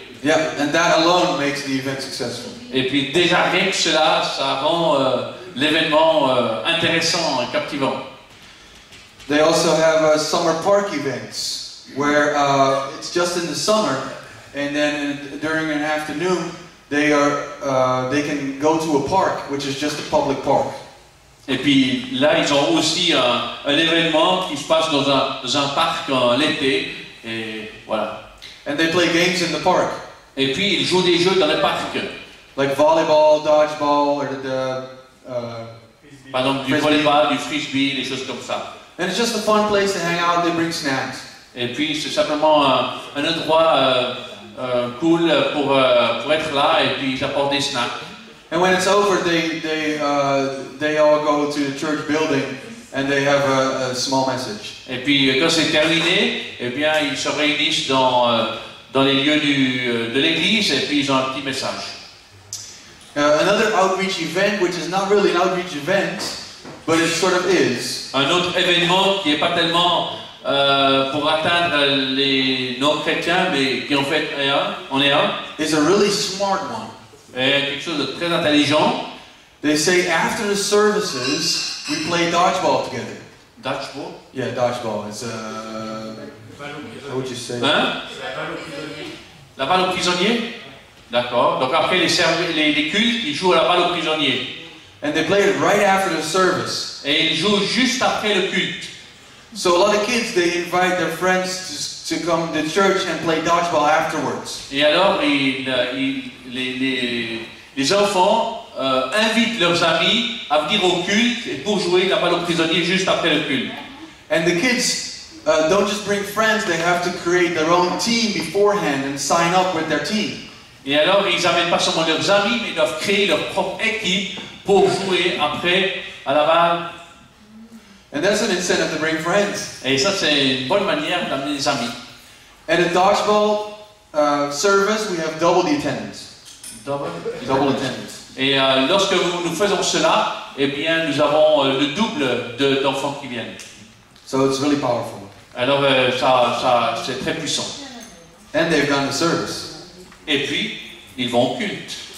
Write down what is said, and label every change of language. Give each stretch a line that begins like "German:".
English: Yeah, and that alone makes the event successful.
French: Et puis déjà rien que cela, ça rend l'événement intéressant et captivant.
English: They also have summer park events, where it's just in the summer, and then during an afternoon, they can go to a park, which is just a public park.
French: Et puis là, ils ont aussi un événement qui se passe dans un parc l'été, et voilà.
English: And they play games in the park.
French: Et puis ils jouent des jeux dans le parc.
English: Like volleyball, dodgeball, or
French: Par exemple, du frisbee. Volleyball, du frisbee, des choses comme ça.
English: And it's just a fun place to hang out. They bring snacks.
French: Et puis c'est simplement un endroit cool pour être là et puis ils apportent des snacks.
English: And when it's over, they all go to the church building and they have a small message.
French: Et puis quand c'est terminé, eh bien ils se réunissent dans dans les lieux de l'église et puis ils ont un petit message.
English: Another outreach event, which is not really an outreach event, but it sort of is.
French: Un autre événement qui n'est pas tellement pour atteindre les non-chrétiens, mais qui en fait est un, on est un.
English: Is a really smart one.
French: Et quelque chose de très intelligent.
English: They say after the services, we play dodgeball together. Dodgeball? Yeah, dodgeball. It's a... How would you say?
French: Hein? La balle aux prisonniers. D'accord. Donc après les cultes, ils jouent à la balle aux prisonniers.
English: And they play it right after the service.
French: Et ils jouent juste après le culte.
English: So a lot of kids, they invite their friends to come to church and play dodgeball afterwards.
French: Et alors les enfants invitent leurs amis à venir au culte et pour jouer la balle aux prisonniers juste après le culte.
English: And the kids don't just bring friends, they have to create their own team beforehand and sign up with their team.
French: Et alors ils n'amènent pas seulement leurs amis, mais ils doivent créer leur propre équipe pour jouer après à la balle.
English: And that's an incentive to bring friends.
French: Et ça c'est une bonne manière d'amener des amis.
English: At a dodgeball service, we have double the attendance. Double attendance.
French: Et lorsque nous faisons cela, eh bien nous avons le double d'enfants qui viennent.
English: So it's really powerful.
French: Alors ça c'est très puissant.
English: And they've gone to service.
French: Et puis ils vont au culte.